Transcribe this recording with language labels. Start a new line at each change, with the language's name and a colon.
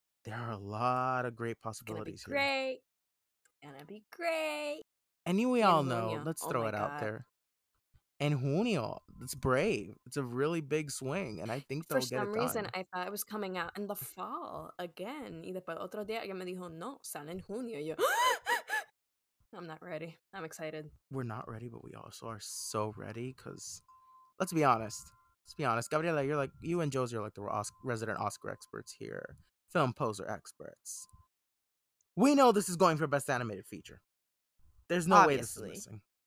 English: There are a lot of great possibilities here. It's gonna be great. And we all know, let's throw it out there. And Junio, it's brave. It's a really big swing. And I think they'll get it done. For some reason, I thought it was coming out in the fall again.
Spanish: Y después otro día, ella me dijo, no, sale en Junio.
English: Yo, I'm not ready. I'm excited. We're not ready, but we also are so ready. Because let's be honest. Let's be honest, Gabriela, you're like, you and Josie are like the resident Oscar experts here, film poser experts. We know this is going for Best Animated Feature. There's no way this is missing.